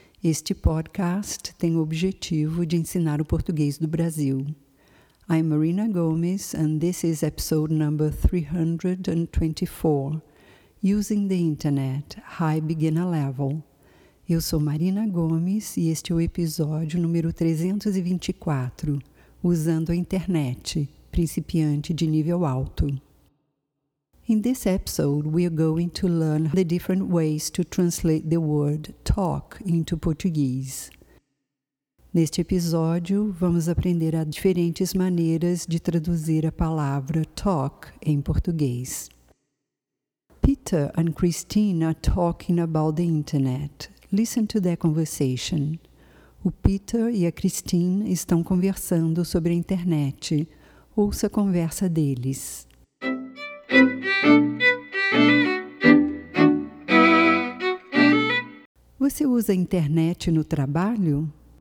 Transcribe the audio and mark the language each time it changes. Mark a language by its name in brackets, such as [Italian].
[Portuguese] Este podcast tem o objetivo de ensinar o português do Brasil. [English] I'm Marina Gomes, and this is episode number 324, Using the Internet, High Beginner Level. [Portuguese] Eu sou Marina Gomes e este é o episódio número 324, Usando a Internet, Principiante de Nível Alto. [English] In this episode, we are going to learn the different ways to translate the word talk into Portuguese. [Portuguese] Neste episódio, vamos aprender as diferentes maneiras de traduzir a palavra talk em português. [English] Peter and Christine are talking about the internet. Listen to their conversation. [Portuguese] O Peter e a Christine estão conversando sobre a internet. Ouça a conversa deles. Você usa a internet no trabalho?